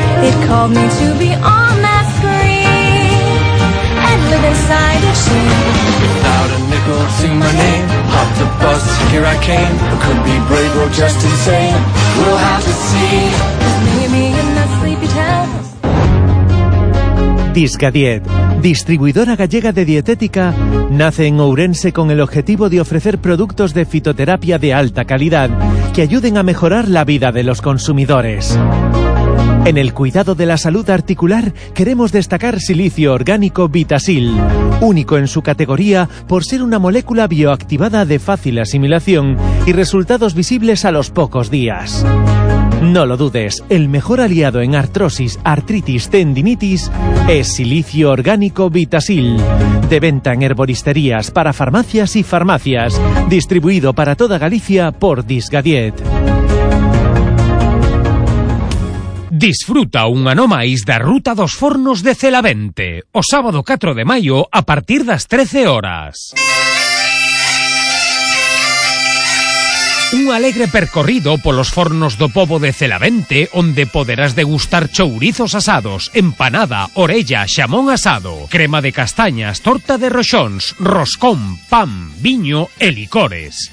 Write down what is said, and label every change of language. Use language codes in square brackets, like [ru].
[en] It called me to be on that screen and live inside a sheen. Without a nickel to my name, hop the bus, here I came. I could be brave or just insane. We'll have to see. Leave me in that sleepy town. [es] Disca 10, distribuidora gallega de dietética, nace en Ourense con el objetivo de ofrecer productos de fitoterapia de alta calidad que ayuden a mejorar la vida de los consumidores. En el cuidado de la salud articular queremos destacar silicio orgánico Vitasil, único en su categoría por ser una molécula bioactivada de fácil asimilación y resultados visibles a los pocos días. No lo dudes, el mejor aliado en artrosis, artritis, tendinitis es silicio orgánico Vitasil. De venta en herboristerías, para farmacias y farmacias. Distribuido para toda Galicia por Disgadiet. [gl] Disfruta un ano máis da Ruta dos Fornos de Celavente, o sábado 4 de maio a partir das 13 horas. Un alegre percorrido polos fornos do pobo de Celavente, onde poderás degustar chourizos asados, empanada, orella, xamón asado, crema de castañas, torta de roxóns, roscón, pan, viño e licores.